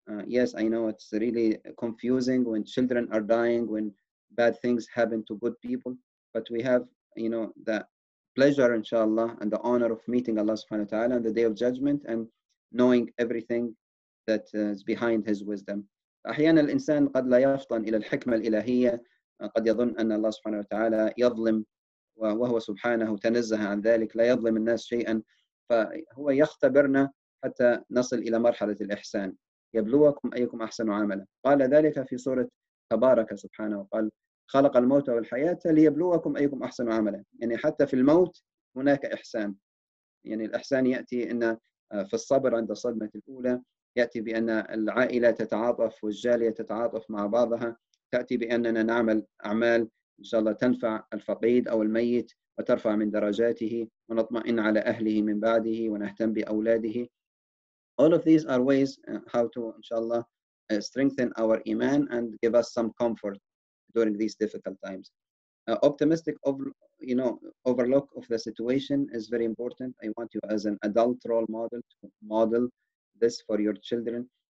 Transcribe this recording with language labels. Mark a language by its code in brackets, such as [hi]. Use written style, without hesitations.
[en] Yes, I know it's really confusing when children are dying, when bad things happen to good people, but we have, you know, the pleasure, inshallah, and the honor of meeting Allah subhanahu wa ta'ala on the Day of Judgment and knowing everything that is behind his wisdom. [ar] أحيانا الإنسان قد لا يفطن إلى الحكمة الإلهية, قد يظن أن الله سبحانه وتعالى يظلم, وهو سبحانه تنزه عن ذلك, لا يظلم الناس شيئا, فهو يختبرنا حتى نصل إلى مرحلة الإحسان. يبلوكم أيكم أحسن عاملا, قال ذلك في سورة تبارك سبحانه, وقال خلق الموت والحياة ليبلوكم أيكم أحسن عاملا. يعني حتى في الموت هناك إحسان, يعني الإحسان يأتي إن في الصبر عند الصدمة الأولى, يأتي بأن العائلة تتعاطف والجالية تتعاطف مع بعضها, تأتي بأننا نعمل أعمال إن شاء الله تنفع الفقيد أو الميت وترفع من درجاته, ونطمئن على أهله من بعده, ونهتم بأولاده. [en] All of these are ways how to, inshallah, strengthen our iman and give us some comfort during these difficult times. Optimistic, overlook of the situation is very important. I want you as an adult role model to model this for your children.